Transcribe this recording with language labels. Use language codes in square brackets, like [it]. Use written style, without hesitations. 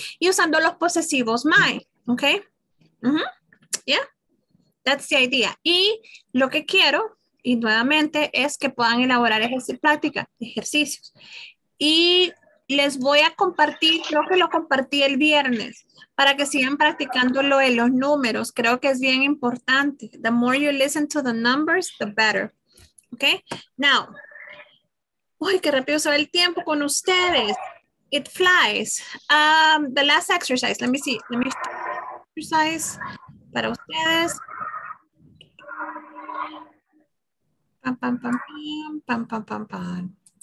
[es] Y usando los posesivos my, ok. [en] Yeah, that's the idea. [es] Y lo que quiero, y nuevamente, es que puedan elaborar ejercicios. Y les voy a compartir, creo que lo compartí el viernes, para que sigan practicando lo de los números. Creo que es bien importante. [en] The more you listen to the numbers, the better. Ok. Now. [es] Uy, qué rápido se va el tiempo con ustedes. [en] It flies. The last exercise. Let me see. [es] Exercise para ustedes. Pam, pam, pam, pam, pam, pam, pam, pam.